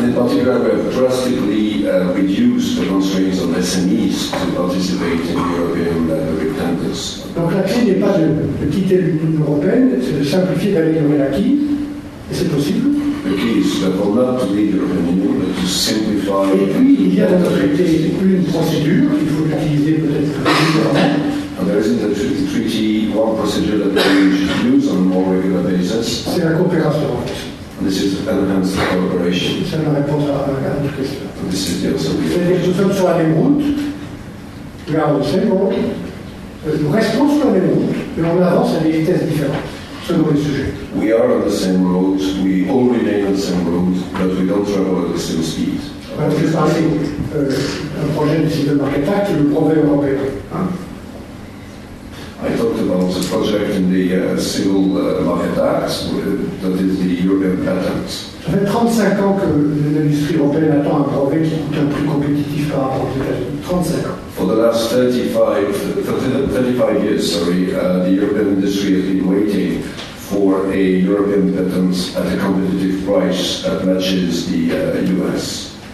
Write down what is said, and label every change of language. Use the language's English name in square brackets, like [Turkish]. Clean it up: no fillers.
[English] And in particular, we have drastically reduced the constraints on SMEs to participate in European public tenders. [French] Donc la clé n'est pas de quitter l'Union européenne, c'est de simplifier d'améliorer l'acquis, et c'est possible. [English] The key is therefore not to leave European Union, but to simplify. [French] Et puis il y a d'un traité, une procédure qu'il faut utiliser peut-être régulièrement. [English] And there isn't a treaty, one procedure that we should use on a more regular basis. [French] C'est la coopération. [English] And this is enhanced cooperation. [French] C'est la réponse à la question. [English] This is the answer. [French] C'est-à-dire que nous sommes sur la même route, [English] we are on the same road. [French] Nous restons sur les routes, mais on avance à des vitesses différentes, selon les sujets. [English] We are on the same road, we all remain on the same road, but we don't travel at the same speed. [French] Alors, je vais parler d'un projet de Single Market Act, le brevet européen. [English] I talked about the project in the Single Market Act, that is the European patent. [French] Ça fait 35 ans que l'industrie européenne attend un brevet qui coûte un prix compétitif par rapport aux États-Unis. 35 ans. [English] For the last 35 years, the European industry has been waiting for a European patent at a competitive price that matches the US.